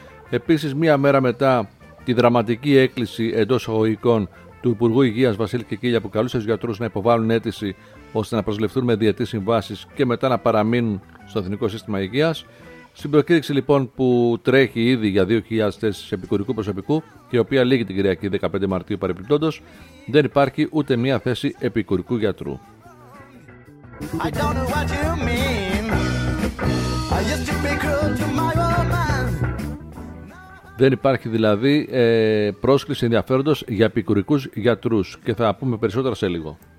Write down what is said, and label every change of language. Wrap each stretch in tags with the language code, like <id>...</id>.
<el>Επίσης, 1 μέρα μετά τη δραματική έκκληση εντός εισαγωγικών του Υπουργού Υγείας Βασίλη Κικίλια, που καλούσε τους γιατρούς να υποβάλουν αίτηση ώστε να προσληφθούν με διετές συμβάσεις και μετά να παραμείνουν στο Εθνικό Σύστημα Υγείας. Στην προκήρυξη λοιπόν που τρέχει ήδη για 2.000 θέσεις επικουρικού προσωπικού και η οποία λήγει την Κυριακή 15 Μαρτίου παρεπιπτόντος, δεν υπάρχει ούτε μία θέση επικουρικού γιατρού.</el> <en>I don't know what you mean. I used to be cruel to my woman.</en> <el>Δεν υπάρχει δηλαδή πρόσκληση ενδιαφέροντος για επικουρικούς γιατρούς και θα πούμε περισσότερα σε λίγο.</el>